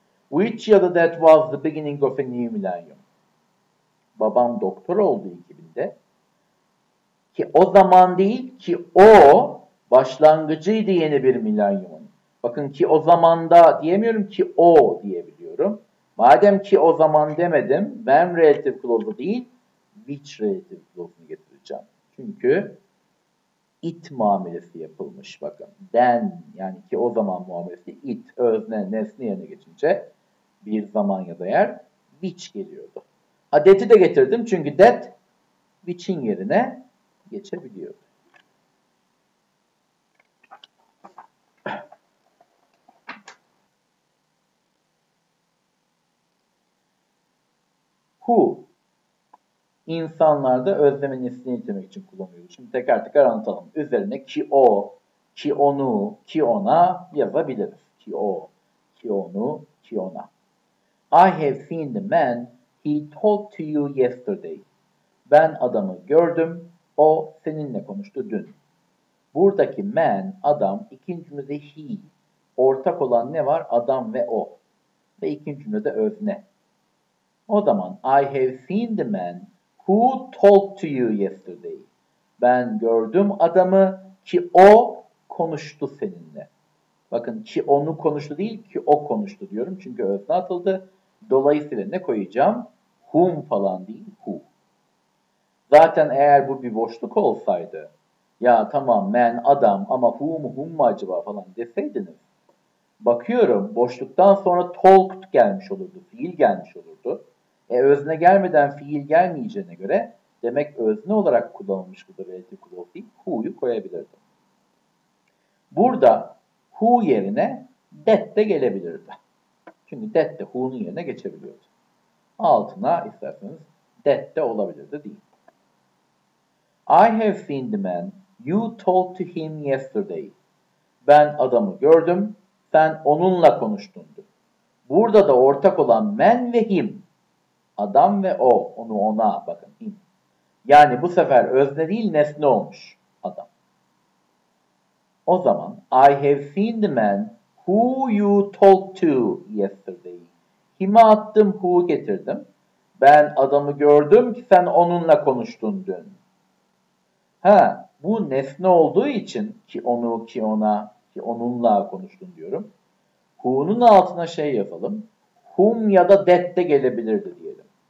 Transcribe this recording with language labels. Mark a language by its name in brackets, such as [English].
[English] Which ya da that was the beginning of a new millennium. [Turkish] Babam doktor oldu 2000'de. Ki o zaman değil ki o başlangıcıydı yeni bir milenyumun. Bakın ki o zamanda diyemiyorum ki o diyebiliyorum. Madem ki o zaman demedim, when relative clause'u değil, which relative clause'unu getireceğim. Çünkü it muamelesi yapılmış bakın. Then yani ki o zaman muamelesi it, özne, nesne yerine geçince bir zaman ya da yer which geliyordu. Ha that'i de getirdim çünkü that which'in yerine geçebiliyor. Who insanlarda özleme nesneyi demek için kullanıyoruz. Şimdi tekrar tekrar anlatalım. Üzerine ki o, ki onu, ki ona yazabiliriz. Ki o, ki onu, ki ona. [English] I have seen the man he talked to you yesterday. [Turkish] Ben adamı gördüm. O seninle konuştu dün. Buradaki man, adam, ikinci cümlede he. Ortak olan ne var? Adam ve o. Ve ikinci cümlede özne. O zaman [English] I have seen the man who talked to you yesterday. [Turkish] Ben gördüm adamı ki o konuştu seninle. Bakın ki onu konuştu değil ki o konuştu diyorum. Çünkü özne atıldı. Dolayısıyla ne koyacağım? Whom falan değil, who. Zaten eğer bu bir boşluk olsaydı, ya tamam men adam ama whom mu acaba falan deseydiniz. Bakıyorum boşluktan sonra talked gelmiş olurdu, fiil gelmiş olurdu. E özne gelmeden fiil gelmeyeceğine göre demek özne olarak kullanılmış bu da relative clause değil, who'yu koyabilirdim. Burada who yerine that de gelebilirdi. Şimdi that de who'nun yerine geçebiliyordu. Altına isterseniz that de olabilirdi değil. [English] I have seen the man you talked to him yesterday. [Turkish] Ben adamı gördüm, sen onunla konuştun. Burada da ortak olan man ve him. Adam ve o, onu ona bakın. Him. Yani bu sefer özne değil nesne olmuş adam. O zaman [English] I have seen the man who you talked to yesterday. [Turkish] Him'i attım, who getirdim. Ben adamı gördüm ki sen onunla konuştun dün. Ha, bu nesne olduğu için ki onu, ki ona, ki onunla konuştun diyorum. Who'nun altına şey yapalım. Whom ya da that de gelebilirdi diyelim.